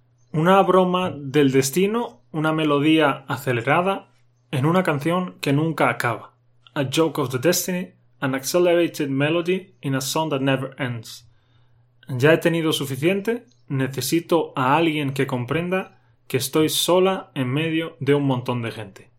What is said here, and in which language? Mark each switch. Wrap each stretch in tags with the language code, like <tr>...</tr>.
<es>Una broma del destino, una melodía acelerada en una canción que nunca acaba.</es> <en>A joke of the destiny, an accelerated melody in a song that never ends.</en> <es>Ya he tenido suficiente, necesito a alguien que comprenda que estoy sola en medio de un montón de gente.</es>